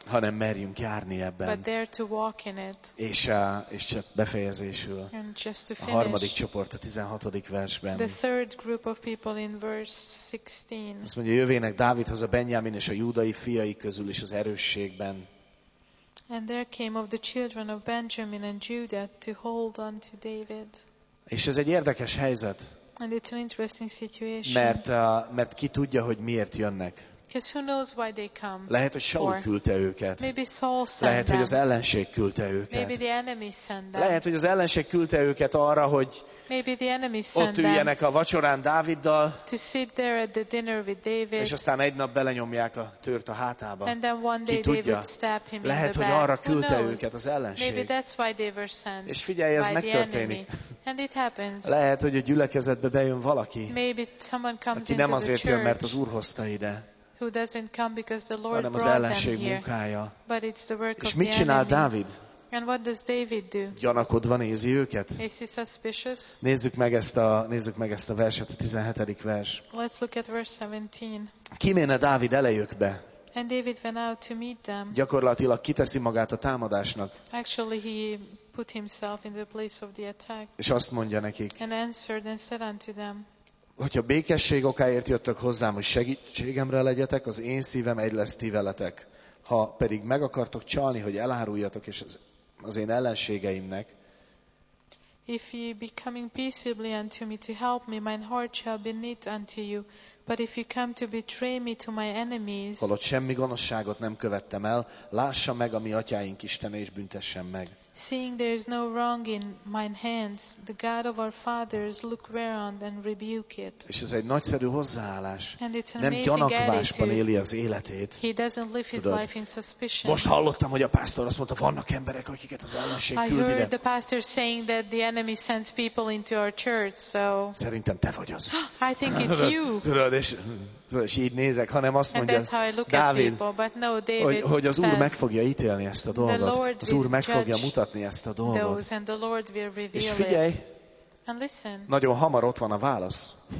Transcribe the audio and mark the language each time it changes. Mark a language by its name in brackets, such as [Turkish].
[Hungarian] hanem merjünk járni ebben. [English] But dare to walk in it. [Hungarian] És csak befejezésül, [English] and just to finish, [Hungarian] a harmadik csoport a 16. versben. [English] The third group of people in verse 16. [Hungarian] Azt mondja, jövének Dávidhoz a Benyámin és a Júdai fiai közül is az erősségben. [English] And there came of the children of Benjamin and Judah to hold on to David. [Hungarian] És ez egy érdekes helyzet. [English] And it's an interesting situation. [Hungarian] Mert ki tudja, hogy miért jönnek. [English] Because who knows why they come? [Hungarian] Lehet, hogy Saul küldte őket. [English] Maybe Saul sent them. [Hungarian] Lehet, hogy az ellenség küldte őket. [English] Maybe the enemy sent them. [Hungarian] Lehet, hogy az ellenség küldte őket arra, hogy [English] maybe the enemy sent [Hungarian] ott üljenek a vacsorán Dáviddal. [English] To sit there at the dinner with David. [Hungarian] És aztán egy nap belenyomják a tört a hátába. [English] And then one day [Hungarian] ki tudja, [English] David stab him in the [Hungarian] lehet, hogy arra küldte őket az ellenség. [English] Maybe that's why they were sent. [Hungarian] És figyelj, ez megtörténik. [English] And it happens. [Hungarian] Lehet, hogy a gyülekezetbe bejön valaki. [English] Maybe someone comes [Hungarian] aki nem azért jön, mert az Úr hozta ide. [English] Who doesn't come because the Lord [Hungarian] hanem az ellenség munkája. [English] But it's the work [Hungarian] és mit csinál Dávid? [English] And what does David do? [Hungarian] Gyanakodva nézi őket. [English] Is he suspicious? [Hungarian] Nézzük meg ezt a verset, a 17. vers. [English] Let's look at verse 17. [Hungarian] Kiméne Dávid elejükbe. [English] And David went out to meet them. [Hungarian] Gyakorlatilag kiteszi magát a támadásnak. [English] Actually he put himself in the place of the attack. [Hungarian] És azt mondja nekik. [English] And answered and said unto them. [Hungarian] Hogyha békesség okáért jöttök hozzám, hogy segítségemre legyetek, az én szívem egy lesz ti veletek. Ha pedig meg akartok csalni, hogy eláruljatok és az én ellenségeimnek. [English] If ye be coming peaceably unto me to help me, mine heart shall be knit unto you. But if you come to betray me to my enemies. [Hungarian] Holott semmi gonoszságot nem követtem el, lássa meg a mi atyáink Istene és büntessen meg. [English] Seeing there is no wrong in mine hands, the God of our fathers, look whereon and rebuke it. [Hungarian] És ez egy nagyszerű hozzáállás. [English] And it's an [Hungarian] nem gyanakvásban [English] attitude. [Hungarian] Éli az életét. [English] He doesn't live his [Hungarian] tudod, [English] life in suspicion. [Hungarian] Most hallottam, hogy a pásztor azt mondta, vannak emberek, akiket az ellenség küld ide. [English] I heard the pastor saying that the enemy sends people into our church, so. [Hungarian] Szerintem te vagy az. [English] I think it's you. [Hungarian] És így nézek, hanem azt mondja Dávid, hogy az Úr meg fogja ítélni ezt a dolgot. Az Úr meg fogja mutatni ezt a dolgot. És figyelj, nagyon hamar ott van a válasz.